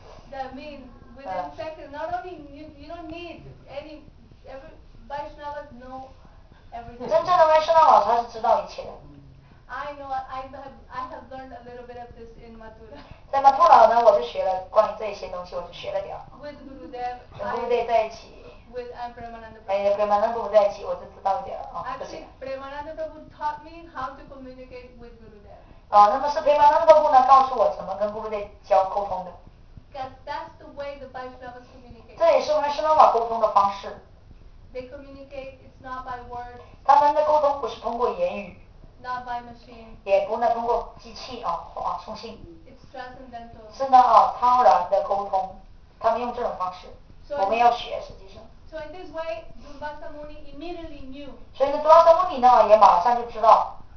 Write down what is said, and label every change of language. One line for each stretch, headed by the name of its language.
English: That means within seconds, not only you don't need every Vaishnavas know everything.
Chinese: 真正的维生老师是知道一切的。
English: I know, I have learned a little bit of this in Mathura.
Chinese: 在马图老呢，我就学了关于这些东西，我就学了点。
English: With Gurudev,
Chinese: 跟 Gurudev 在一起。
English: With Premananda.
Chinese: 哎呀，Premananda Prabhu 在一起，我就知道点啊。
English: Actually, Premananda Prabhu taught me how to communicate with Gurudev.
Chinese: 啊，那么是培曼那个部呢，告诉我怎么跟Guru Dev交沟通的。
English: That's the way the Vaishnavas communicate.
Chinese: 这也是我们圣瓦沟通的方式。
English: They communicate, it's not by words.
Chinese: 他们的沟通不是通过言语。
English: Not by machine.
Chinese: 也不能通过机器啊送信。
English: It's transcendental.
Chinese: 是呢啊，超然的沟通，他们用这种方式，
English: so、
Chinese: 我们要学实际上。
English: So in this way, Durvasamuni immediately knew.
Chinese: 所以呢，Durvasamuni呢也马上就知道。